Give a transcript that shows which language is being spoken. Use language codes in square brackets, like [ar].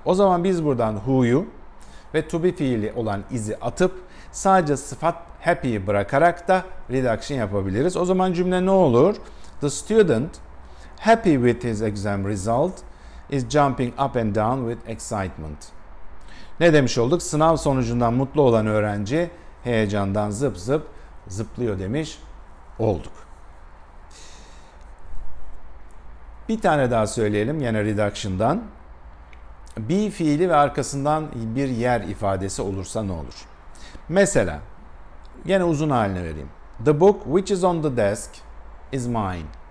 [tr] O zaman biz buradan who'yu ve to be fiili olan is'i atıp sadece sıfat happy'yi bırakarak da reduction yapabiliriz. O zaman cümle ne olur? [en] The student happy with his exam result is jumping up and down with excitement. [tr] Ne demiş olduk? Sınav sonucundan mutlu olan öğrenci heyecandan zıp zıp zıplıyor demiş olduk. Bir tane daha söyleyelim yine reduction'dan. Be fiili ve arkasından bir yer ifadesi olursa ne olur? Mesela, yine uzun haline vereyim. [en] The book which is on the desk is mine.